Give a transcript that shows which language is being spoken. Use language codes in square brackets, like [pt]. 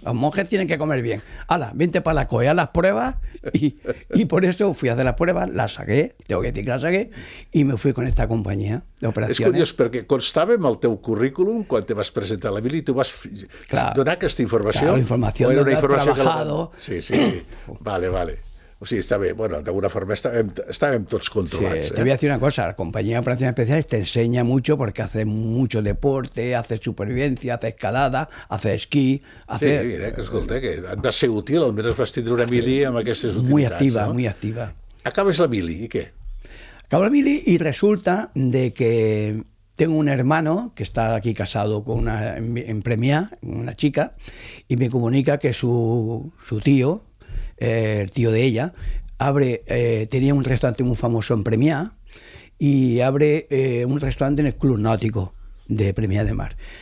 [es] Los monjes tienen que comer bien. Hala, vente para la COE, a las pruebas. Y por eso fui a hacer las pruebas, las saqué, tengo que decir que las saqué, y me fui con esta compañía de operaciones. Es curioso, porque constaba en el teu currículum cuando te vas a presentar a la mili y tú vas claro, donar esta información. Claro, información, era una información trabajado. La... Sí, sí, sí. Vale. [ca] O sigui, està bé, bueno, d'alguna forma estàvem tots controlats. [es] Sí, te voy a decir una cosa, la compañía de operaciones especiales te enseña mucho porque hace mucho deporte, hace supervivencia, hace escalada, hace esquí, hace... [ca] Sí, mira, que escolta, que et va ser útil, almenys vas tindre una mili amb aquestes utilitats. [es] Muy activa, no? Muy activa. [ca] Acabes la mili, i què? [es] Acabo la mili y resulta de que tengo un hermano que está aquí casado con una en Premià, una chica, y me comunica que su tío... el tío de ella, tenía un restaurante muy famoso en Premià y abre un restaurante en el Club Náutico de Premià de Mar.